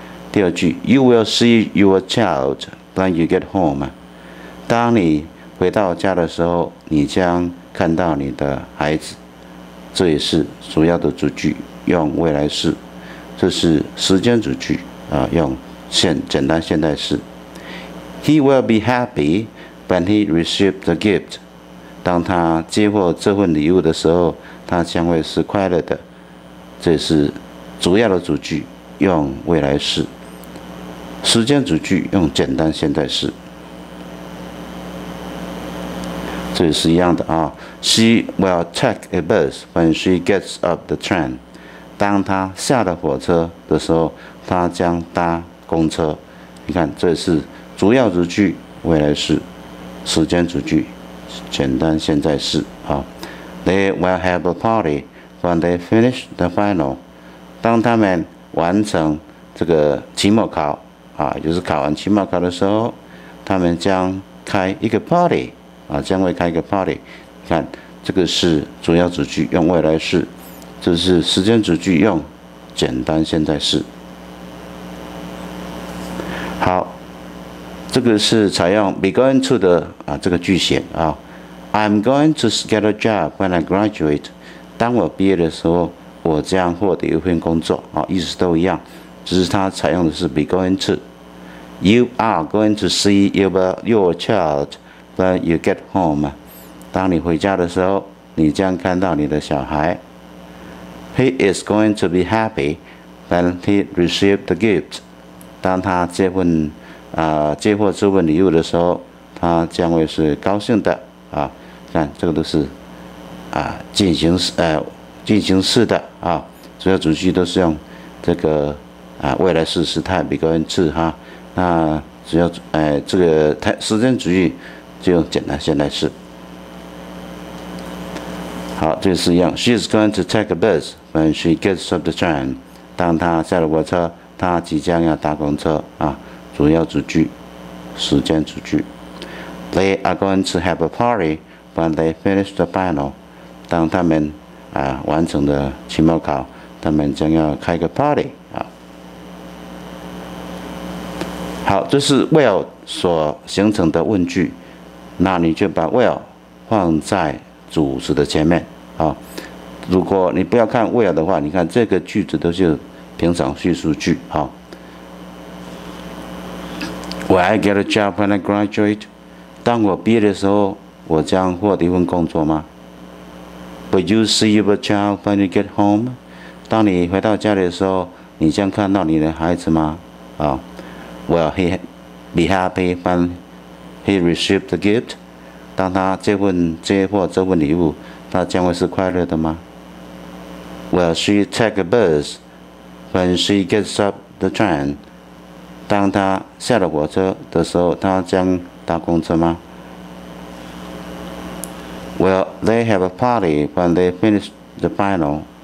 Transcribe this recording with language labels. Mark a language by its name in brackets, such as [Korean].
[Chinese] 第二句 ， [English] You will see your child。When you get home， [Chinese] 当你回到家的时候，你将看到你的孩子。这也是主要的主句，用未来式。这是时间主句，用简单现代式。 [English] He will be happy when he receives the gift。 [Chinese] 当他接获这份礼物的时候，他将会是快乐的。这是主要的主句，用未来式。时间主句用简单现在式，这也是一样的啊。 [English] She will take a bus when she gets off the train。 [Chinese] 当她下了火车的时候，她将搭公车。你看，这是主要主句，未来式，时间主句，简单现在式啊。 [English] They will have a party when they finish the final。 [Chinese] 当他们完成这个期末考。就是考完期末考的时候，他们将开一个 party， 将会开一个 party。看，这个是主要主句用未来式，这是时间主句用简单现在式。好，这个是采用 be going to 的这个句型啊。 [English] I'm going to get a job when I graduate。 [Chinese] 当我毕业的时候，我将获得一份工作意思都一样。只是它采用的是 be going to。 [English] You are going to see your child when you get home。 [Chinese] 当你回家的时候，你将看到你的小孩。 [English] He is going to be happy when he receives the gift。 [Chinese] 当他接获这份礼物的时候，他将会是高兴的看，这个都是进行式的主要主句都是用这个未来式时态 be going to 哈，那只要这个时间主义就用简单现在式。好，这是一样 [English] ，She is going to take a bus when she gets off the train。 [Chinese] 当她下了火车，她即将要搭公车主要主句，时间主句。 [English] They are going to have a party when they finish the final。 [Chinese] 当他们完成的期末考，他们将要开个 party。好，这是 will 所形成的问句，那你就把 will 放在主词的前面啊。如果你不要看 will 的话，你看这个句子都是平常叙述句啊。 [English] Will I get a job when I graduate？ [Chinese] 当我毕业的时候，我将获得一份工作吗 [English] ？Will you see your child when you get home？ [Chinese] 当你回到家里的时候，你将看到你的孩子吗？ [English] Will he be happy when He received the gift. [Chinese] 当他接吻接获这份礼物，他将会是快乐的吗？ [English] Will she take a bus when she gets off the train? [Chinese] 当他下了火车的时候，他将搭公车吗？ [English] Will they have a party when they finish the final?